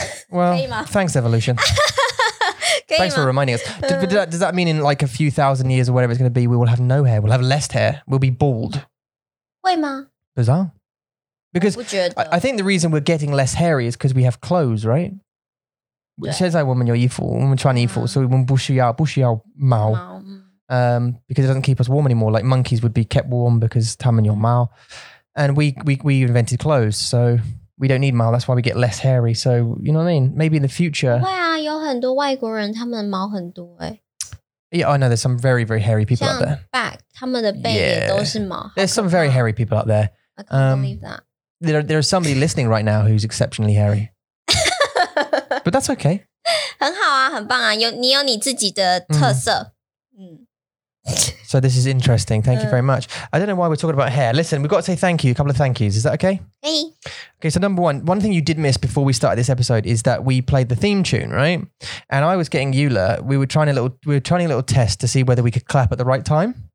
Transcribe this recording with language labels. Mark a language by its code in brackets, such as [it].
[en] Well, thanks, evolution. Thanks for reminding us. Does that mean in like a few thousand years or whatever it's going to be, we will have no hair? We'll have less hair? We'll be bald? [zh] 会吗? [en] Bizarre. Because I think the reason we're getting less hairy is because we have clothes, right? [zh] 现在我们有衣服,我们穿衣服,所以我们不需要毛。 [en] Because it doesn't keep us warm anymore. Like monkeys would be kept warm because [zh] 他们有毛。 [en] And we invented clothes, so we don't need mao. That's why we get less hairy. So, you know what I mean? Maybe in the future. [zh] 会啊，有很多外国人他们的毛很多欸。 [en] Yeah, I know. There's some very, very hairy people out there. [zh] 像 back, 他们的背也都是毛。 [en] There's some very hairy people out there. I can't believe that. There's somebody listening right now who's exceptionally hairy. But that's okay. [zh] 很好啊，很棒啊，你有你自己的特色。 [en] So this is interesting. Thank you very much. I don't know why we're talking about hair. Listen, we've got to say thank you. A couple of thank yous. Is that okay? Hey. Okay, so number one, one thing you did miss before we started this episode is that we played the theme tune, right? And I was getting Yula. We were trying a little test to see whether we could clap at the right time.